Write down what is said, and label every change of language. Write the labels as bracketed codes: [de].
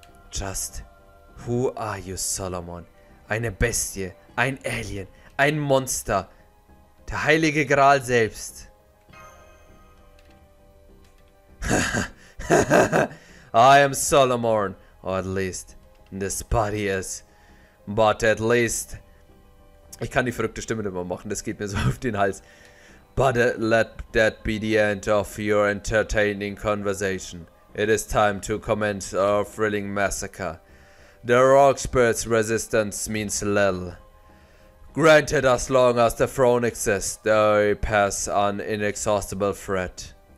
[en] Just who are you, [de] Solomon? Eine Bestie, ein Alien, ein Monster. Der Heilige Gral selbst. [en] I am Solomon, or at least this body is, but at least, [de] ich kann die verrückte Stimme immer machen, das geht mir so auf den Hals, [en] but let that be the end of your entertaining conversation. It is time to commence our thrilling massacre. The Rockspirit's resistance means little. Granted, as long as the throne exists, they pass an inexhaustible threat.